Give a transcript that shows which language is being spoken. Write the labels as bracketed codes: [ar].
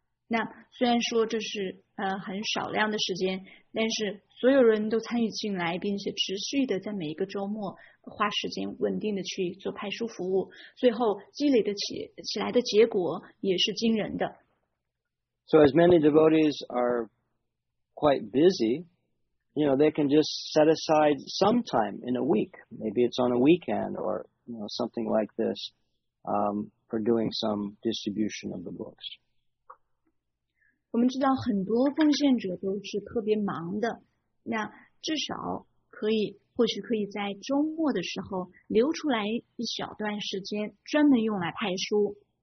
[zh] 那虽然说这是很少量的时间，但是所有人都参与进来，并且持续的在每一个周末花时间稳定的去做派书服务，最后积累的起来的结果也是惊人的。 [en] So as many devotees are quite busy, you know, they can just set aside some time in a week. Maybe it's on a weekend or you know, something like this, for doing some distribution of the books. [zh] 我们知道很多奉献者都是特别忙的，那至少可以，或许可以在周末的时候留出来一小段时间，专门用来派书。